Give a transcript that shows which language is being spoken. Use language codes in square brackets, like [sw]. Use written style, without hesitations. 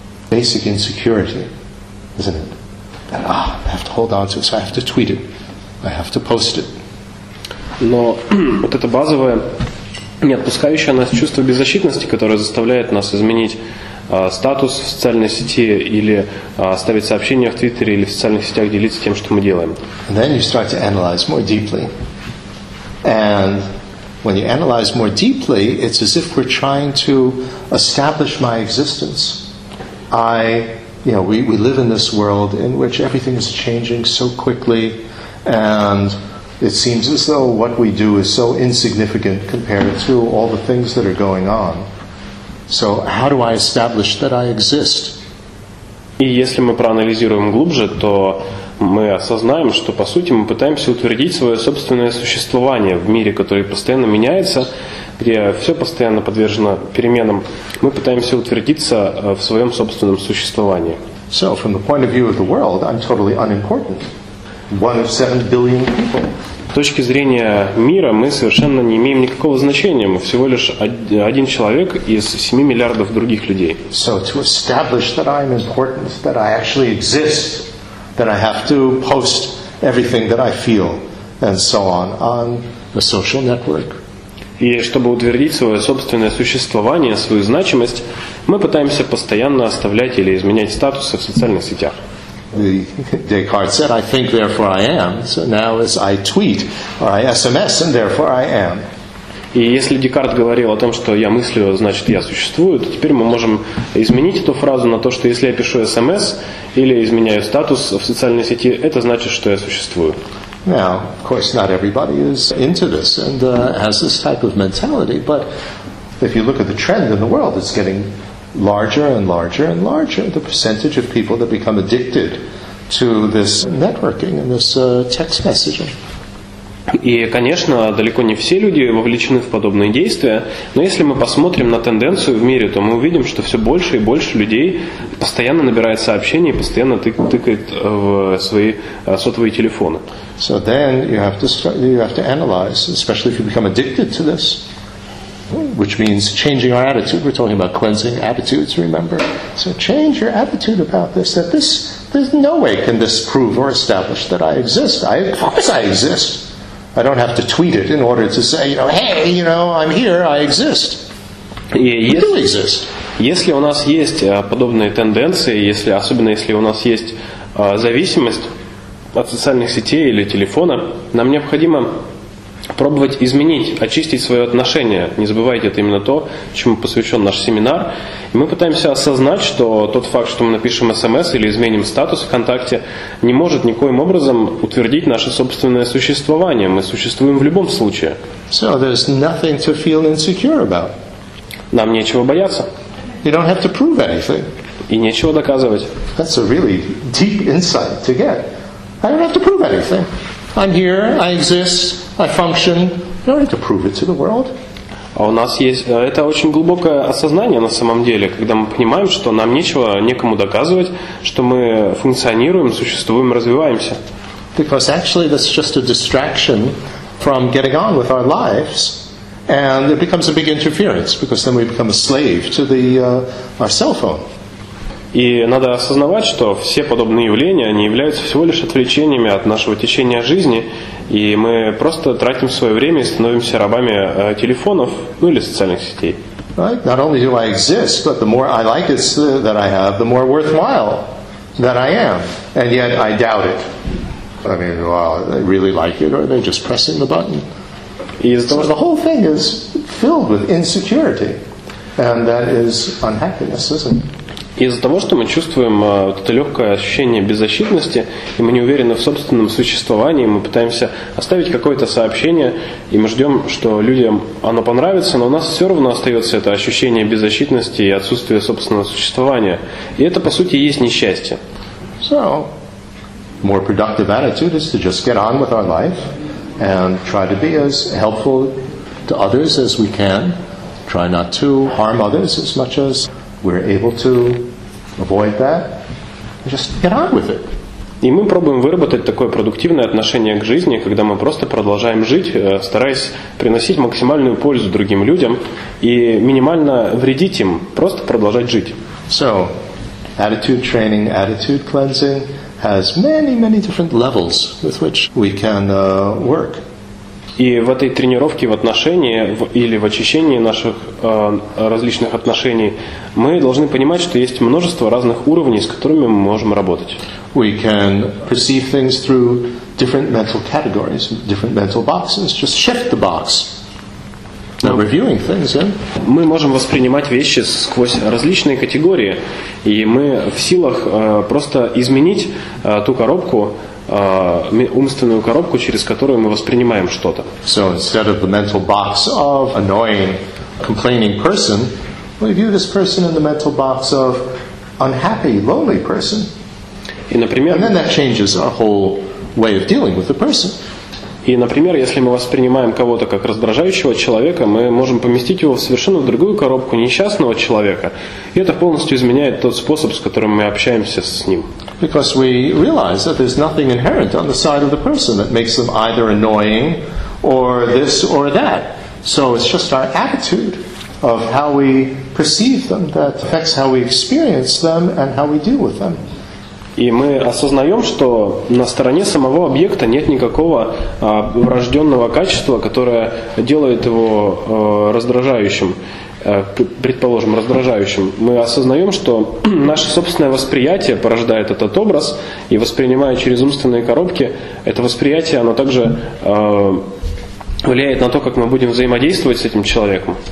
[en] Basic insecurity, isn't it? That, ah, I have to hold on to it, so I have to tweet it. I have to post it. [ru] Но вот это базовое, не отпускающее нас чувство беззащитности, которое заставляет нас изменить статус в социальной сети или ставить сообщения в Твиттере или в социальных сетях, делиться тем, что мы делаем. [en] And then you start to analyze more deeply. And when you analyze more deeply, it's as if we're trying to establish my existence. I, you know, we live in this world in which everything is changing so quickly, and it seems as though what we do is so insignificant compared to all the things that are going on. So how do I establish that I exist? [ru] И если мы проанализируем глубже, то мы осознаем, что, по сути, мы пытаемся утвердить свое собственное существование в мире, который постоянно меняется, где все постоянно подвержено переменам. Мы пытаемся утвердиться в своем собственном существовании. [en] So, from the point of view of the world, I'm totally unimportant. One of 7 billion people. [ru] С точки зрения мира мы совершенно не имеем никакого значения. Мы всего лишь один человек из 7 миллиардов других людей. [en] So, to establish that I'm important, that I actually exist, then I have to post everything that I feel and so on a social network. [ru] И чтобы утвердить свое собственное существование, свою значимость, мы пытаемся постоянно оставлять или изменять статусы в социальных сетях. [en] Декарт said, I think, therefore I am. So now it's I tweet, or I SMS, and therefore I am. [ru] И если Декарт говорил о том, что я мыслю, значит, я существую, то теперь мы можем изменить эту фразу на то, что если я пишу СМС или изменяю статус в социальной сети, это значит, что я существую. [en] Now, of course, not everybody is into this and has this type of mentality, but if you look at the trend in the world, it's getting larger and larger and larger, the percentage of people that become addicted to this networking and this text messaging. [ru] И, конечно, далеко не все люди вовлечены в подобные действия, но если мы посмотрим на тенденцию в мире, то мы увидим, что все больше и больше людей постоянно набирает сообщения и постоянно тыкает в свои сотовые телефоны. [en] So then you have to analyze, especially if you become addicted to this, which means changing our attitude. We're talking about cleansing attitudes, remember? So change your attitude about this, that this, there's no way can this prove or establish that I exist. Of course I exist. I don't have to tweet it in order to say, you know, hey, you know, I'm here, I exist. You do exist. [ru] Если у нас есть подобные тенденции, если у нас есть зависимость от социальных сетей или телефона, нам необходимо пробовать изменить, очистить свое отношение. Не забывайте, это именно то, чему посвящен наш семинар. И мы пытаемся осознать, что тот факт, что мы напишем СМС или изменим статус ВКонтакте, не может никоим образом утвердить наше собственное существование. Мы существуем в любом случае. [en] So there's nothing to feel insecure about. [ru] Нам нечего бояться. [en] You don't have to prove anything. [ru] И нечего доказывать. [en] That's a really deep insight to get. I don't have to prove anything. I'm here, I exist, I function. I don't have to prove it to the world. [ru] А у нас есть это очень глубокое осознание на самом деле, когда мы понимаем, что нам нечего никому доказывать, что мы функционируем, существуем, развиваемся. [en] Because actually that's just a distraction from getting on with our lives. And it becomes a big interference, because then we become a slave to the our cell phone. [ru] И надо осознавать, что все подобные явления, они являются всего лишь отвлечениями от нашего течения жизни, и мы просто тратим свое время и становимся рабами телефонов, ну или социальных сетей. [en] Right? Not only do I exist, but the more I like it that I have, the more worthwhile that I am. And yet I doubt it. I mean, well, they really like it, or they're just pressing the button. So the whole thing is filled with insecurity, and that is unhappiness, isn't it? [ru] Из-за того, что мы чувствуем вот это легкое ощущение беззащитности, и мы не уверены в собственном существовании, мы пытаемся оставить какое-то сообщение, и мы ждем, что людям оно понравится, но у нас все равно остается это ощущение беззащитности и отсутствие собственного существования. И это, по сути, есть несчастье. [en] So, more productive attitude is to just get on with our life and try to be as helpful to others as we can, try not to harm others as much as we're able to avoid that. Just get on with it. [ru] И мы пробуем выработать такое продуктивное отношение к жизни, когда мы просто продолжаем жить, стараясь приносить максимальную пользу другим людям и минимально вредить им, просто продолжать жить. [en] So, attitude training, attitude cleansing has many, many different levels with which we can work. [ru] И в этой тренировке в отношении или в очищении наших различных отношений мы должны понимать, что есть множество разных уровней, с которыми мы можем работать. [en] We can perceive things through different mental categories, different mental boxes. Just shift the box. Now reviewing things, yeah? [ru] Мы можем воспринимать вещи сквозь различные категории, и мы в силах просто изменить ту коробку, умственную коробку, через которую мы воспринимаем что-то. [en] So instead of the mental box of annoying, complaining person, we view this person in the mental box of unhappy, lonely person. [ru] И, например, [en] and then that changes our whole way of dealing with the person. [ru] И, например, если мы воспринимаем кого-то как раздражающего человека, мы можем поместить его в совершенно другую коробку несчастного человека. И это полностью изменяет тот способ, с которым мы общаемся с ним. [en] Because we realize that there's nothing inherent on the side of the person that makes them either annoying or this or that. So it's just our attitude of how we perceive them that affects how we experience them and how we deal with them. [ru] И мы осознаем, что на стороне самого объекта нет никакого врожденного качества, которое делает его раздражающим, предположим, раздражающим. Мы осознаем, что наше собственное восприятие порождает этот образ, и воспринимая через умственные коробки, это восприятие, оно также влияет на то, как мы будем взаимодействовать с этим человеком.